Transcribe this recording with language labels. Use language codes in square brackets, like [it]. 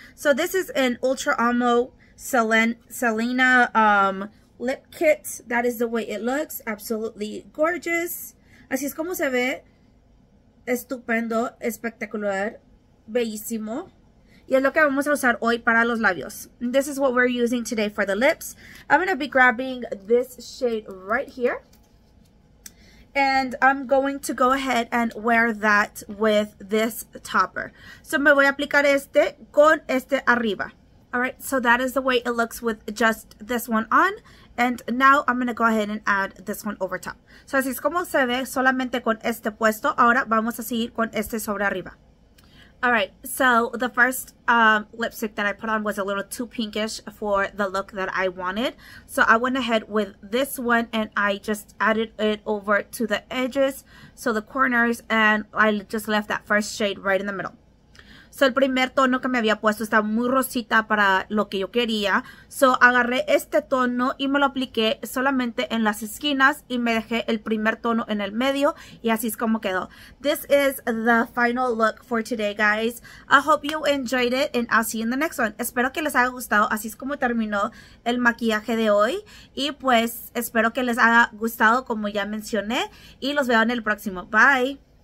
[en] So this is an Ultra Amo Selena lip kit. That is the way it looks. Absolutely gorgeous. [es] Así es como se ve. Estupendo, espectacular, bellísimo. Y es lo que vamos a usar hoy para los labios. [en] This is what we're using today for the lips. I'm going to be grabbing this shade right here. And I'm going to go ahead and wear that with this topper. [es] So me voy a aplicar este con este arriba. [en] All right, so that is the way it looks with just this one on. And now I'm going to go ahead and add this one over top. [es] So así es como se ve solamente con este puesto. Ahora vamos a seguir con este sobre arriba. [en] All right, so the first lipstick that I put on was a little too pinkish for the look that I wanted. So I went ahead with this one and I just added it over to the edges, so the corners, and I just left that first shade right in the middle. [es] So el primer tono que me había puesto está muy rosita para lo que yo quería. So agarré este tono y me lo apliqué solamente en las esquinas y me dejé el primer tono en el medio y así es como quedó. [en] This is the final look for today, guys. I hope you enjoyed it and I'll see you in the next one. [es] Espero que les haya gustado. Así es como terminó el maquillaje de hoy. Y pues espero que les haya gustado como ya mencioné y los veo en el próximo. Bye.